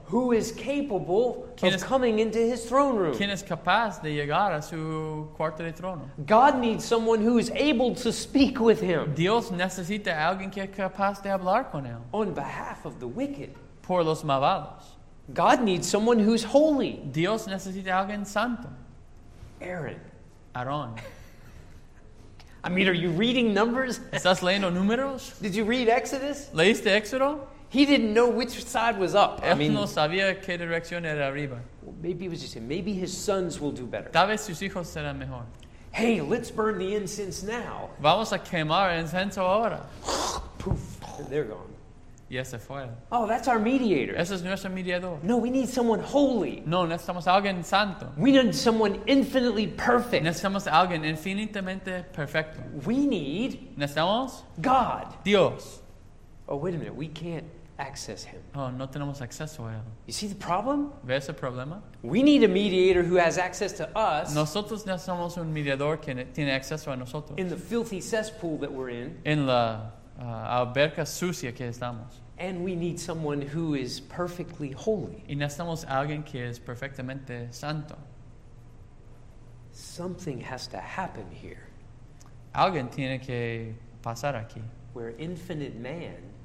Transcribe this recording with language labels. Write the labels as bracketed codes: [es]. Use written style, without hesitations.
[en] Who is capable of coming into his throne room. [es] ¿Quién es capaz de llegar a su cuarto de trono? [en] God needs someone who is able to speak with him. [es] Dios necesita alguien que es capaz de hablar con él. [en] On behalf of the wicked. [es] Por los malvados. [en] God needs someone who's holy. [es] Dios necesita alguien santo. [en] Aaron. [es] Aaron. [en] I mean, are you reading numbers? [es] ¿Estás leyendo números? [en] Did you read Exodus? [es] ¿Leíste Éxodo? [en] He didn't know which side was up. [es] Él no sabía qué dirección era arriba. [en] Well, maybe he was just saying, maybe his sons will do better. [es] Tal vez sus hijos serán mejor. [en] Hey, let's burn the incense now. [es] Vamos a quemar el incenso ahora. [en] Poof. They're gone. Yes, it fue. Oh, that's our mediator. [es] Ese es nuestro mediador. [en] No, we need someone holy. [es] No, necesitamos alguien santo. [en] We need someone infinitely perfect. [es] Necesitamos alguien infinitamente perfecto. [en] We need. [es] Necesitamos. [en] God. [es] Dios. [en] Oh, wait a minute. We can't access him. [es] Oh, no tenemos acceso a él. [en] You see the problem? [es] ¿Ves el problema? [en] We need a mediator who has access to us. [es] Nosotros necesitamos un mediador que tiene acceso a nosotros. [en] In the filthy cesspool that we're in. [es] En la alberca sucia que estamos. [en] And we need someone who is perfectly holy. [es] Y necesitamos alguien que es perfectamente santo. [en] Something has to happen here. [es] Alguien tiene que pasar aquí. [en] Where infinite man.